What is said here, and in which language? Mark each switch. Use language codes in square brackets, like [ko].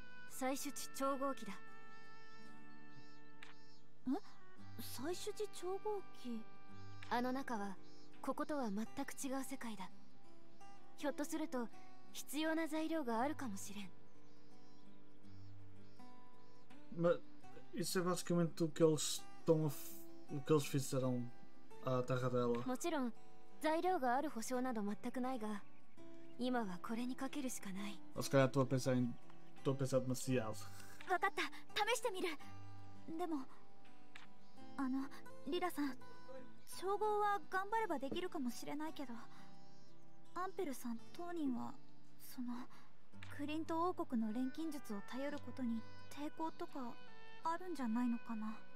[ja] 採取地調合器だ。え、採取地調合器。あの中はこことは全く違う世界だ。ひょっとすると必要な材料があるかもしれん。 [pt] Mas isso é basicamente o que eles estão a o que eles fizeram à terra dela. [ja] もちろん材料がある保証など全くないが、今はこれにかけるしかない。 [pt] Mas se calhar estou a pensar demasiado. [ja] わかった。試してみる。でも、あのリラさん、調合は頑張ればできるかもしれないけど、アンペルさん当人はそのクリント王国の錬金術を頼ることに抵抗とかあるんじゃないのかな。